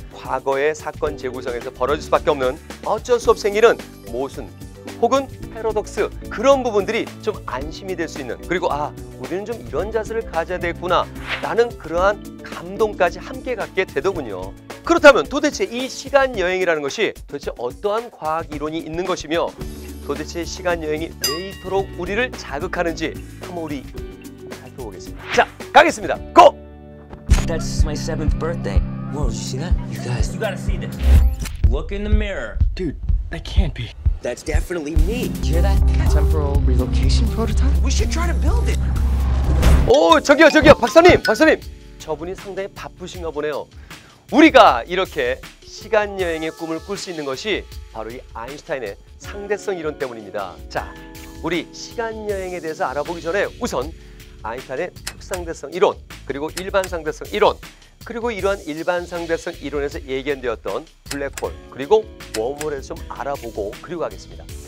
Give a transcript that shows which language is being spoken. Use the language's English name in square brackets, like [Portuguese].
[Korean] 과거의 사건 재구성에서 벌어질 수밖에 없는 어쩔 수 없이 생기는 모순 혹은 패러독스, 그런 부분들이 좀 안심이 될 수 있는, 그리고 아, 우리는 좀 이런 자세를 가져야 되겠구나 라는 그러한 감동까지 함께 갖게 되더군요. 그렇다면 도대체 이 시간여행이라는 것이 도대체 어떠한 과학이론이 있는 것이며, 도대체 시간여행이 왜 이토록 우리를 자극하는지 한번 우리 살펴보겠습니다. 자, 가겠습니다. 고! [English] That's my 7th birthday. Whoa, did you see that? You guys, you gotta see this. Look in the mirror. Dude, that can't be. That's definitely me. You hear that? Temporal relocation prototype? We should try to build it. [Korean] 오, 저기요, 박사님. 저분이 상당히 바쁘신가 보네요. 우리가 이렇게 시간여행의 꿈을 꿀 수 있는 것이 바로 이 아인슈타인의 상대성 이론 때문입니다. 자, 우리 시간여행에 대해서 알아보기 전에 우선 아인슈타인의 특상대성 이론, 그리고 일반상대성 이론, 그리고 이러한 일반상대성 이론에서 예견되었던 블랙홀, 그리고 웜홀에서 좀 알아보고 그리고 가겠습니다.